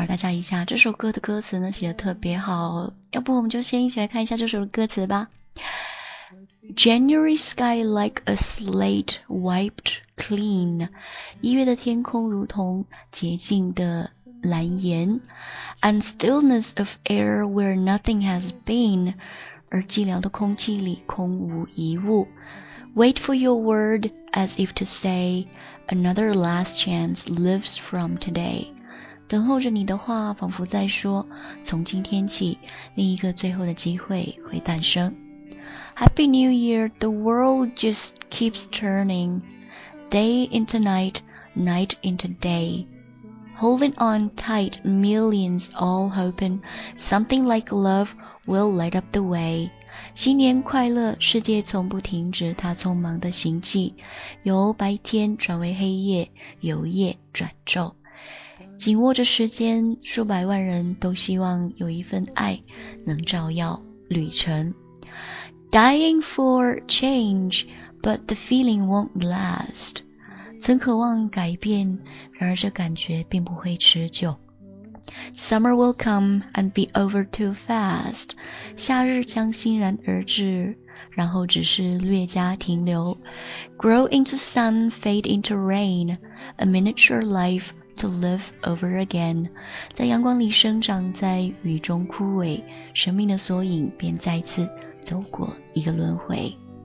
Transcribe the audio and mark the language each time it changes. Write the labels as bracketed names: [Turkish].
[Chinese] 扰大家一下，这首歌的歌词呢写得特别好，要不我们就先一起来看一下这首歌词吧。 [English] January sky like a slate wiped clean， [Chinese] 一月的天空如同洁净的蓝颜。 [English] And stillness of air where nothing has been， [Chinese] 而寂寥的空气里空无一物。 [English] Wait for your word as if to say another last chance lives from today， [Chinese] 等候着你的话，仿佛在说从今天起另一个最后的机会会诞生。 [English] Happy New Year, the world just keeps turning， Day into night, night into day， Holding on tight, millions all hoping Something like love will light up the way。 [Chinese] 新年快乐，世界从不停止它匆忙的行迹，由白天转为黑夜，由夜转昼。紧握着时间，数百万人都希望有一份爱能照耀旅程。 [English] Dying for change, but the feeling won't last. [Chinese] 曾渴望改变，然而这感觉并不会持久。 [English] Summer will come and be over too fast. [Chinese] 夏日将欣然而至，然后只是略加停留。 [English] Grow into sun, fade into rain. A miniature life to live over again. [Chinese] 在阳光里生长，在雨中枯萎，生命的缩影便再次走过一个轮回。